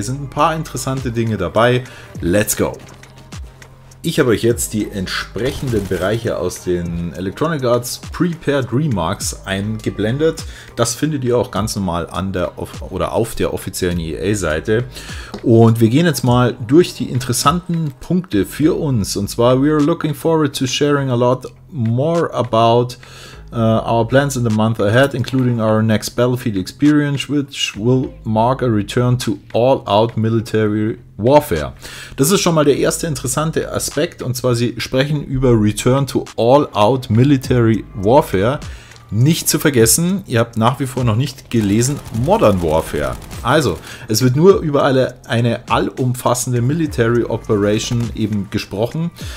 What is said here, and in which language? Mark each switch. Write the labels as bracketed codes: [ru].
[de] Sind ein paar interessante Dinge dabei. [en] Let's go! [de] Ich habe euch jetzt die entsprechenden Bereiche aus den Electronic Arts Prepared Remarks eingeblendet. Das findet ihr auch ganz normal auf der offiziellen EA-Seite. Und wir gehen jetzt mal durch die interessanten Punkte für uns. Und zwar, [en] we are looking forward to sharing a lot more about our plans in the month ahead, including our next Battlefield experience, which will mark a return to all-out military warfare. [de] Das ist schon mal der erste interessante Aspekt, und zwar sie sprechen über [en] Return to All-Out Military Warfare. [de] Nicht zu vergessen, ihr habt nach wie vor noch nicht gelesen, Modern Warfare. Also, es wird nur über eine allumfassende Military Operation eben gesprochen.